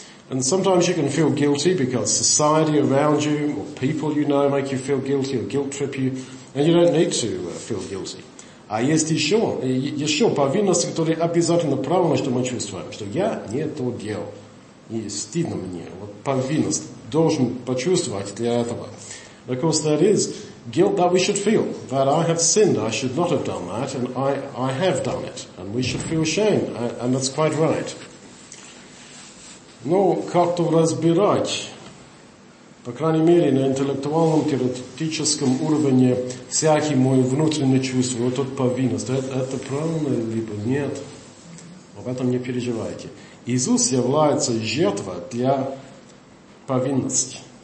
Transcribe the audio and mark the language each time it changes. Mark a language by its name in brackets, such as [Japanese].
[English] And sometimes you can feel guilty because society around you or people you know make you feel guilty or guilt trip you, and you don't need to feel guilty. [Russian] А есть еще повинности, которые обязательно правильно, что мы чувствуем, что я не то делал, и стыдно мне. Вот повинность должен почувствовать для этого. [English] Of course, that is guilt that we should feel, that I have sinned, I should not have done that, and I have done it, and we should feel shame, and that's quite right. [Russian] Но как-то разбирать, по крайней мере, на интеллектуальном, теоретическом уровне, всякие мои внутренние чувства, вот тут повинность, это правильно, либо нет, об этом не переживайте. Иисус является жертвой для повинности.